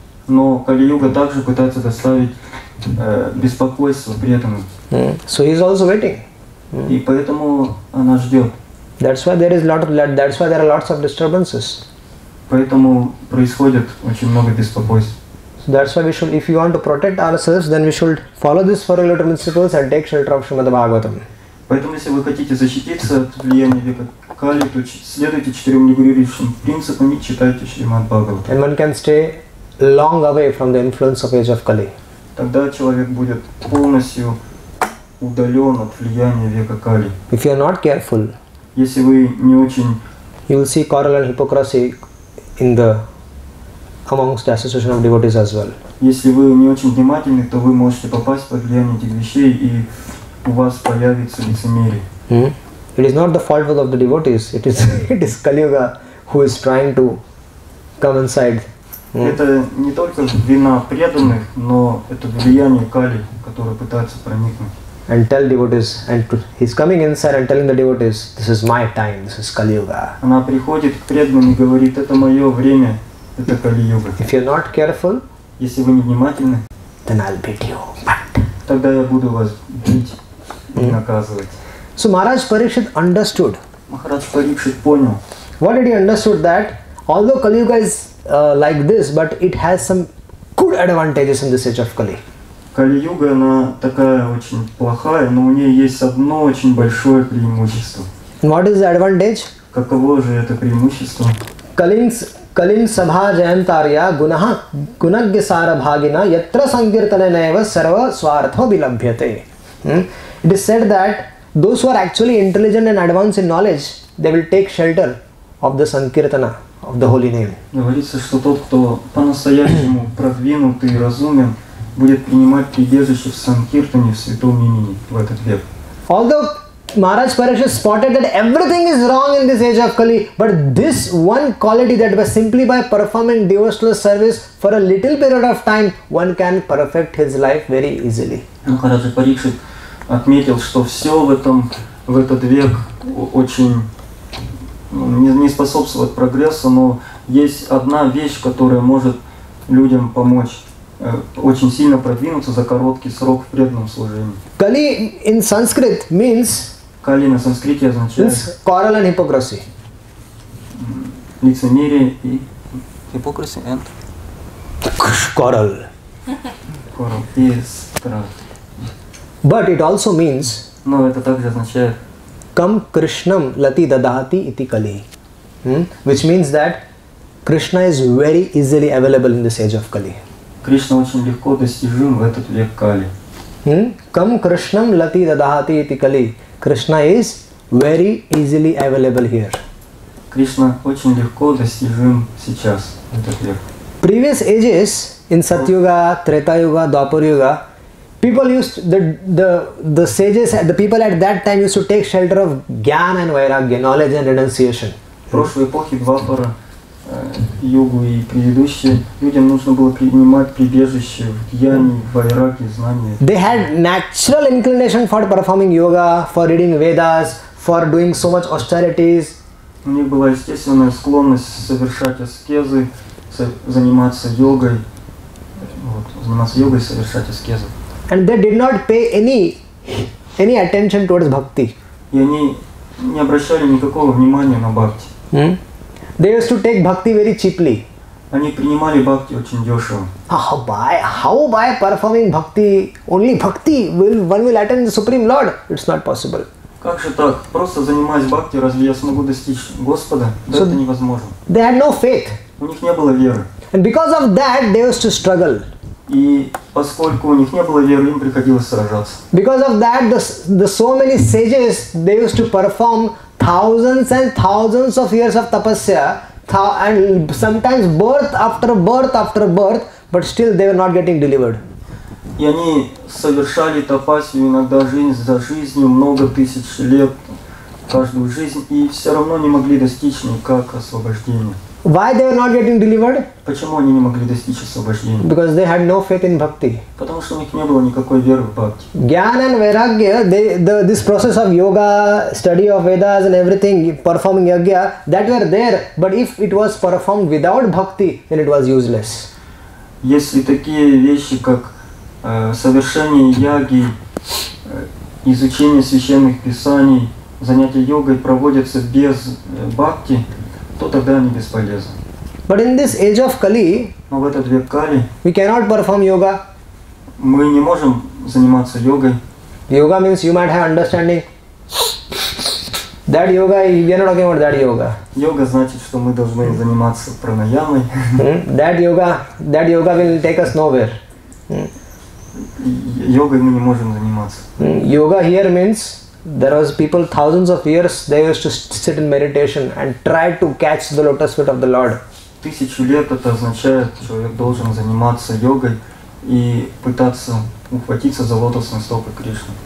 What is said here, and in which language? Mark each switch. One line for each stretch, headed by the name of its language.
Russian: Но Кали Юга также пытается доставить беспокойство преданным.
English: So he is also waiting.
Russian: И поэтому она ждет.
English: That's why there are lots of disturbances.
Russian: Поэтому происходит очень много беспокойств.
English: So that's why we should, if you want to protect ourselves, then we should follow this four regulatory principles and take shelter of Srimad Bhagavatam.
Russian: Поэтому если вы хотите защититься от влияния века Кали, то следуйте четырем регулирующим принципам и читайте Шримад Бхагаватам.
English: And one can stay long away from the influence of age of Kali.
Russian: Тогда человек будет полностью удален от влияния века Кали.
English: If you are not careful,
Russian: если вы не очень,
English: you will see quarrel and hypocrisy in the amongst the association of devotees as well.
Russian: Если вы не очень внимательны, то вы можете попасть под влияние этих вещей, и у вас появится лицемерие.
English: It is not the fault of the devotees. It is Kali Yuga who is trying to come inside.
Russian: Это не только вина преданных, но это влияние Кали, которое пытается проникнуть.
English: And tell devotees, and he's coming inside and telling the devotees, this is my time, this is Kali Yuga.
Russian: Она приходит к преданным и говорит, это мое время, это Kali Yuga.
English: If you're not careful,
Russian: если вы не внимательны,
English: then I'll beat you.
Russian: Тогда я буду вас бить и наказывать.
English: So Maharaj Parikshit understood.
Russian: Maharaj Parikshit понял.
English: What did he understood that? Although Kali Yuga is like this, but it has some good advantages in this age of Kali.
Russian: Кали-юга, она такая очень плохая, но у нее есть одно очень большое преимущество.
English: What is the advantage?
Russian: Каково же это преимущество?
Sanskrit: Kalinga's kalin sabha jayantarya gunaha gunagya sara bhagina yatra sankirtane naiva sarva swartho bilabhyate.
English: It is said that those who are actually intelligent and advanced in knowledge, they will take shelter of the sankirtana, of the holy name.
Russian: Говорится, что тот, кто по-настоящему продвинутый и разумен, будет принимать прибежище в санкиртане, в святом имени, в этот век.
English: Although Maharaj Parikshit spotted that everything is wrong in this age of Kali, but this one quality that was simply by performing devotional service for a little period of time, one can perfect his life very easily.
Russian: Maharaj Parikshit отметил, что все в этот век очень не способствует прогрессу, но есть одна вещь, которая может людям помочь. Очень сильно продвинуться за короткий срок в преданном служении.
English: Kali in Sanskrit means.
Russian: Kali на санскрите означает.
English: Means quarrel and hypocrisy.
Russian: Лицемерие и
English: hypocrisy and quarrel.
Russian: Quarrel и страх.
English: But it also means.
Russian: Но это также означает.
Sanskrit: Kam Krishnam lati dadati iti Kali,
English: which means that Krishna is very easily available in this age of Kali.
Russian: Кришна очень легко достижим в этот век Кали.
Sanskrit: Кам Кришнам лати дадахати ити Кали. Кришна
English: is very easily available here.
Russian: Кришна очень легко достижим сейчас, в этот век.
English: Previous ages, in Сатьюга, Трета-юга, Двапар-юга, people used to, the sages, the people at that time used to take shelter of Gyan and Vairagya, knowledge and renunciation.
Russian: В прошлой эпохе Двапара, югу и предыдущие, людям нужно было принимать прибежище в гьяне, в вайраге, знания.
English: They had natural inclination for performing yoga, for reading Vedas, for doing so much austerities.
Russian: У них была естественная склонность совершать аскезы, заниматься йогой, вот, заниматься йогой и совершать аскезы.
English: And they did not pay any attention towards bhakti.
Russian: И они не обращали никакого внимания на бхакти.
English: They used to take bhakti very cheaply.
Russian: Они принимали бхакти очень дешево.
English: How by performing bhakti? Only bhakti will attain the Supreme Lord. It's not possible.
Russian: Как же так? Просто занимаясь бхакти, разве я смогу достичь Господа? Да, это невозможно.
English: They had no faith.
Russian: У них не было веры.
English: And because of that, they used to struggle.
Russian: И поскольку у них не было веры, им приходилось сражаться.
English: Because of that, the so many sages, they used to perform thousands and thousands of years of tapasya, and sometimes birth after birth after birth, but still they were not getting delivered.
Russian: И они совершали тапасию иногда жизнь за жизнью, много тысяч лет, каждую жизнь, и все равно не могли достичь никак освобождения.
English: Why they were not getting delivered?
Russian: Почему они не могли достичь освобождения?
English: Because they had no faith in bhakti.
Russian: Потому что у них не было никакой веры в бхакти.
English: Gyan and vairagya, this process of yoga, study of Vedas and everything, performing yagya, that were there. But if it was performed without bhakti, then it was useless.
Russian: Если такие вещи, как совершение яги, изучение священных писаний, занятия йогой проводятся без бхакти, то тогда они бесполезны.
English: But in this age of Kali,
Russian: но в этот век Кали,
English: we cannot perform yoga.
Russian: Мы не можем заниматься йогой.
English: Yoga means you might have understanding. That yoga, we are not talking about that yoga.
Russian: Йога значит, что мы должны заниматься пранаямой.
English: That yoga will take us nowhere.
Russian: Йогой мы не можем заниматься.
English: Yoga here means there was people thousands of years, they used to sit in meditation and try to catch the lotus feet of the Lord.
Russian: Тысячу лет это означает, что человек должен заниматься йогой и пытаться ухватиться за лотосные стопы Кришны.